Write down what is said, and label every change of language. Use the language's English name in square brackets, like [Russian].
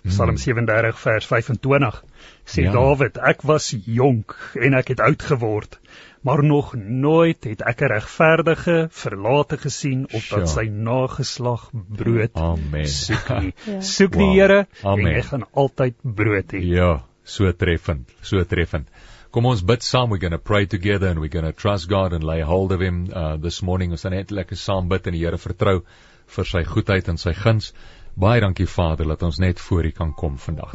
[Afrikaans] Psalm 37 vers 25 sê Dawid, ek was jonk en ek het oud geword, maar nog nooit het ek 'n regverdige verlate gesien of dat sy nageslag brood soek nie. Soek die Here en jy gaan altyd brood hê. Ja, so treffend, so treffend. Kom ons bid saam, [English] we're going to pray together and we're going to trust God and lay hold of Him this morning. [Afrikaans] Ons gaan net lekker saam bid en die Here vertrou vir sy goedheid en sy guns. Baie dankie Vader dat ons net voor U kan kom vandag.